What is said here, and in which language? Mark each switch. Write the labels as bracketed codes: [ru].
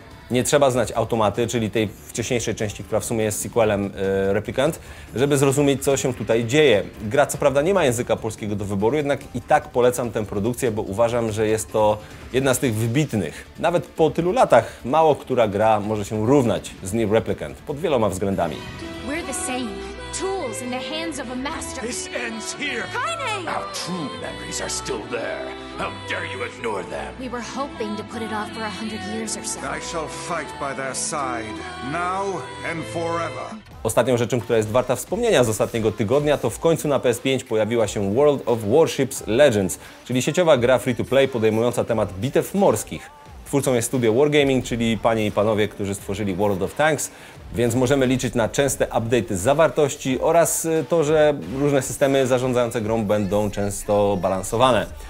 [pl] Nie trzeba znać Automaty, czyli tej wcześniejszej części, która w sumie jest sequelem Replicant, żeby zrozumieć, co się tutaj dzieje. Gra co prawda nie ma języka polskiego do wyboru, jednak i tak polecam tę produkcję, bo uważam, że jest to jedna z tych wybitnych. Nawet po tylu latach mało która gra może się równać z Nier Replicant pod wieloma względami. [en] We're the same. Tools in the hands of a master. This ends here. Kaine! Our true memories are still there. How dare you ignore them? We were hoping to put it off for 100 years or so. I shall fight by their side, now and forever. [pl] Ostatnią rzeczą, która jest warta wspomnienia z ostatniego tygodnia, to w końcu na PS5 pojawiła się World of Warships Legends, czyli sieciowa gra free-to-play podejmująca temat bitew morskich. Twórcą jest studio Wargaming, czyli panie i panowie, którzy stworzyli World of Tanks, więc możemy liczyć na częste update'y zawartości oraz to, że różne systemy zarządzające grą będą często balansowane.